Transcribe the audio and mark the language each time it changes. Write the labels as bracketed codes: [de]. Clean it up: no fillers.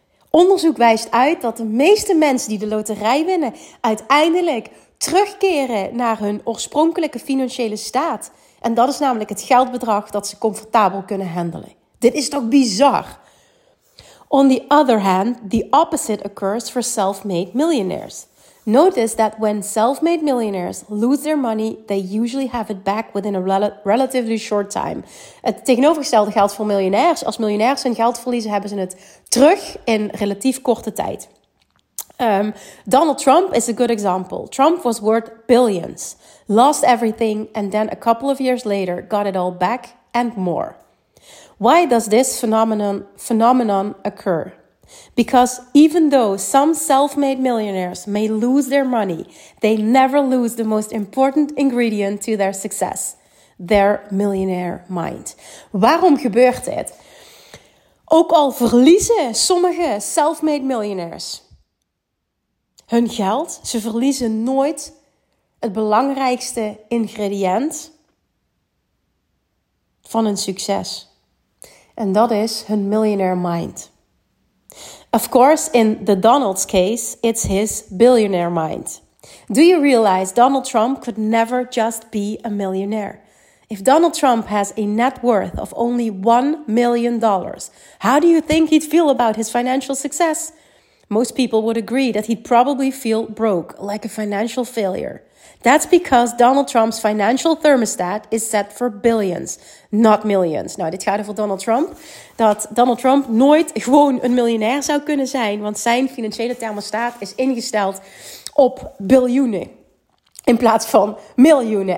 [nl] Onderzoek wijst uit dat de meeste mensen die de loterij winnen uiteindelijk terugkeren naar hun oorspronkelijke financiële staat. En dat is namelijk het geldbedrag dat ze comfortabel kunnen handelen. Dit is toch bizar? [en] On the other hand, the opposite occurs for self-made millionaires. Notice that when self-made millionaires lose their money, they usually have it back within a relatively short time. [nl] Het tegenovergestelde geldt voor miljonairs. Als miljonairs hun geld verliezen, hebben ze het terug in relatief korte tijd. [en] Donald Trump is a good example. Trump was worth billions, lost everything, and then a couple of years later got it all back and more. Why does this phenomenon occur? Because even though some self-made millionaires may lose their money, they never lose the most important ingredient to their success, their millionaire mind. [nl] Waarom gebeurt dit? Ook al verliezen sommige self-made millionaires hun geld, ze verliezen nooit het belangrijkste ingrediënt van hun succes. En dat is hun millionaire mind. [en] Of course, in the Donald's case, it's his billionaire mind. Do you realize Donald Trump could never just be a millionaire? If Donald Trump has a net worth of only $1 million, how do you think he'd feel about his financial success? Most people would agree that he'd probably feel broke, like a financial failure. That's because Donald Trump's financial thermostat is set for billions, not millions. [nl] Nou, dit gaat over Donald Trump. Dat Donald Trump nooit gewoon een miljonair zou kunnen zijn, want zijn financiële thermostaat is ingesteld op biljoenen in plaats van miljoenen.